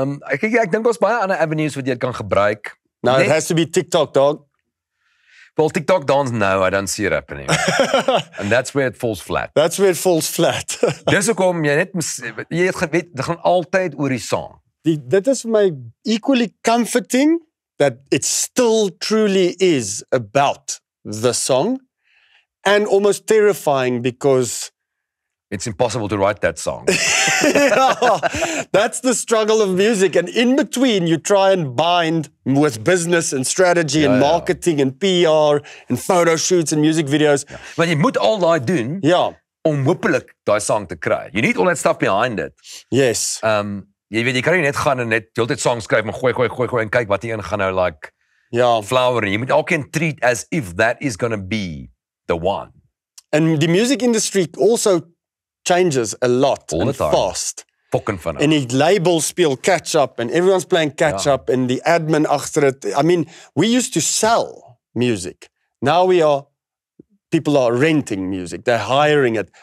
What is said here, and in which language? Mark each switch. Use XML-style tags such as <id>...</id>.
<af>Ek dink daar's baie ander avenues wat jy kan gebruik.</af> <en>Now it has to be TikTok, dog. Well, TikTok dance, no, I don't see it happening. And that's where it falls flat. That's where it falls flat.</en> <af>Dis hoekom jy net jy weet, dit gaan altyd oor die song.</af> <en>Dit is vir my equally comforting that it still truly is about the song and almost terrifying because it's impossible to write that song. That's the struggle of music. And in between, you try and bind with business and strategy and marketing and PR and photo shoots and music videos.</en> <af>Yeah. But you moet all that doen om hopelijk die song te kry.</af> <en>You need all that stuff behind it. Yes.</en> <af>Jy weet, jy kan nie net gaan en net die hele tijd songs skryf en gooi en kyk wat die ingaan nou like flower.</af> <en>Jy moet elke keer treat as if that is going to be the one. And the music industry also changes a lot all and fast. Fucking fun. And it labels speel catch up and everyone's playing catch up and the admin achter it. I mean, we used to sell music. Now we are, people are renting music. They're hiring it.</en>